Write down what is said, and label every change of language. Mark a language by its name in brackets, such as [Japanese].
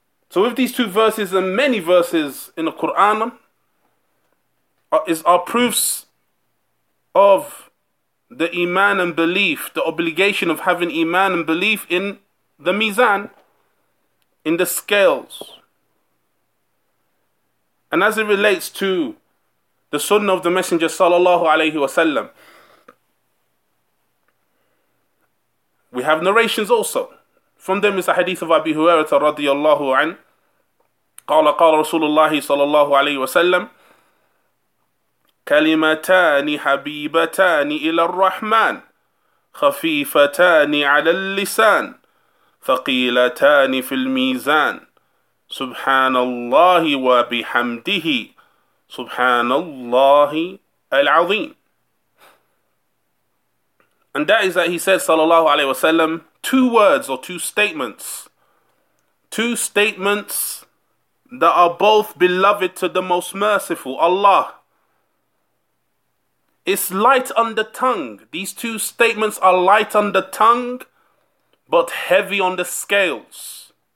[English] So with these two verses and many verses in the Quran, are proofs of the iman and belief, the obligation of having iman and belief in the mizan, in the scales. And as it relates to the sunnah of the Messenger sallallahu alayhi wa sallam, we have narrations also. From them is the hadith of Abi Hurairah radiallahu an. [Arabic] Qala qala Rasulullah sallallahu alayhi wa sallam, كلمتان حبيبتان إلى الرحمن خفيفتان على اللسان ثقيلتان في الميزان سبحان الله وبحمده سبحان الله العظيم. [English] And that is that he said sallallahu alayhi wa sallam, two statements that are both beloved to the most merciful, Allah. It's light on the tongue. These two statements are light on the tongue, but heavy on the scales.